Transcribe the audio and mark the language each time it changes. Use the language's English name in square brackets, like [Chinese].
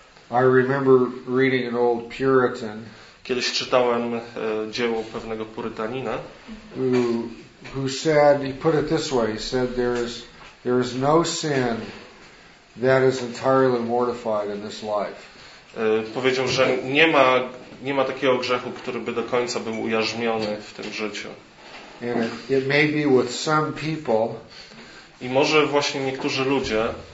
[English] I remember reading an old Puritan, [Polish] kiedyś czytałem dzieło pewnego Purytanina, [English] who said, he put it this way, he said, there is no sin that is entirely mortified in this life. [Polish] Powiedział, że nie ma takiego grzechu, który by do końca był ujarzmiony w tym życiu. [English] It may be with some people, [Polish] i może właśnie niektórzy ludzie